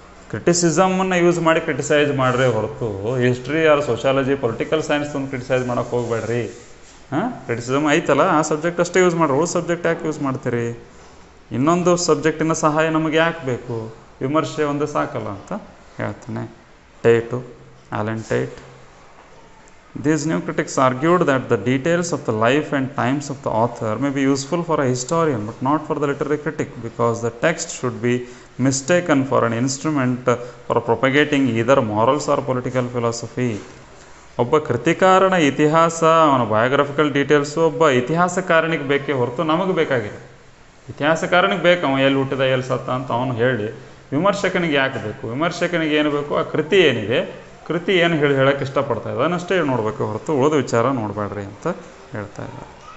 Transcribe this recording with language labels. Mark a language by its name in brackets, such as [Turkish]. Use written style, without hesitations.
[Kannada] ಕ್ರಿಟಿಸಿಸಮನ್ನು use ಮಾಡಿ criticise ಮಾಡಿರಿ ಹೊರತು history R sociology political science ಒಂದು ಕ್ರಿಟಿಸೈಸ್ ಮಾಡೋಕೆ ಹೋಗಬೇಡ್ರಿ. ಹಾಂ, ಕ್ರಿಟಿಸಮ್ ಐತಲ್ಲ ಆ ಸಬ್ಜೆಕ್ಟ್ ಅಷ್ಟೇ ಯೂಸ್ ಮಾಡಿರಿ, ಉಳಿದ ಸಬ್ಜೆಕ್ಟ್ ಯಾಕೆ ಯೂಸ್ ಮಾಡ್ತೀರಿ? ಇನ್ನೊಂದು ಸಬ್ಜೆಕ್ಟಿನ ಸಹಾಯ ನಮಗೆ ಯಾಕೆ ಬೇಕು? ವಿಮರ್ಶೆ ಒಂದು ಸಾಕಲ್ಲ ಅಂತ ಹೇಳ್ತಾನೆ ಟೇಟು, Allen ಟೇಟ್. [English] These new critics argued that the details of the life and times of the author may be useful for a historian but not for the literary critic, because the text should be mistaken for an instrument for propagating either morals or political philosophy. [Kannada] ಒಬ್ಬ ಕೃತಿಕಾರನ ಇತಿಹಾಸ, ಅವನ ಬಯೋಗ್ರಫಿಕಲ್ details ಒಬ್ಬ ಇತಿಹಾಸಕಾರನಿಗೆ ಬೇಕೇ ಹೊರತು ನಮಗೆ ಬೇಕಾಗಿಲ್ಲ. ಇತಿಹಾಸಕಾರನಿಗೆ ಬೇಕು, ಅವನು ಎಲ್ಲಿ ಹುಟ್ಟಿದ, ಎಲ್ಲಿ ಸತ್ತ ಅಂತ ಅವನು ಹೇಳಿ. ವಿಮರ್ಶಕನಿಗೆ ಯಾಕೆ ಬೇಕು? ವಿಮರ್ಶಕನಿಗೆ ಏನು ಬೇಕು? ಆ ಕೃತಿ ಏನಿದೆ, ಕೃತಿ ಏನು ಹೇಳಿ ಹೇಳೋಕ್ಕೆ ಇಷ್ಟಪಡ್ತಾ ಇದ್ದ ಅದನ್ನಷ್ಟೇ ನೋಡಬೇಕು ಹೊರತು ಉಳಿದ ವಿಚಾರ ನೋಡಬೇಡ್ರಿ ಅಂತ ಹೇಳ್ತಾ ಇದ್ದಾರೆ.